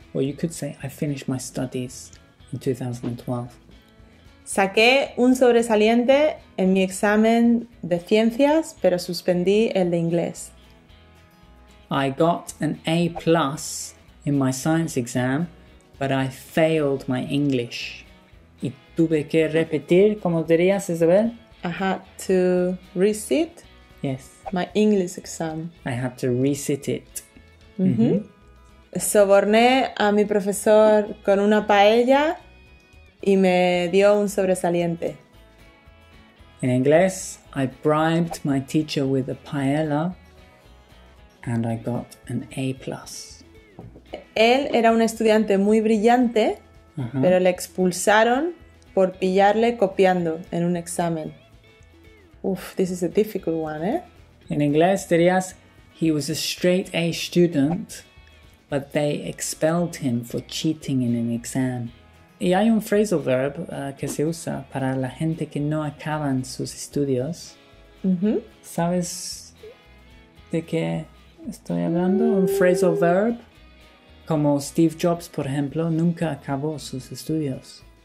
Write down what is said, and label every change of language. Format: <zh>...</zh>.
<en>Or you could say, I finished my studies in 2012.</en> <es>Saqué un sobresaliente en mi examen de ciencias, pero suspendí el de inglés.</es> <en>I got an A+ in my science exam, but I failed my English.</en> <es>Y tuve que repetir, como dirías, Isabel?</es> <en>I had to resit. Yes. My English exam. I had to resit it. Mm-hmm.</en> <es>Soborné a mi profesor con una paella y me dio un sobresaliente.</es> <en>In inglés, I bribed my teacher with a paella. And I got an A+.</en> <es>Él era un estudiante muy brillante, pero le expulsaron por pillarle copiando en un examen.</es> <en>Uf, this is a difficult one, eh?</en> <es>En inglés dirías,</es> <en>he was a straight A student, but they expelled him for cheating in an exam.</en> <es>Y hay un phrasal verb que se usa para la gente que no acaban sus estudios. Uh-huh. ¿Sabes de qué? Estoy hablando un phrasal verb, como Steve Jobs, por ejemplo, nunca acabó sus estudios.</es>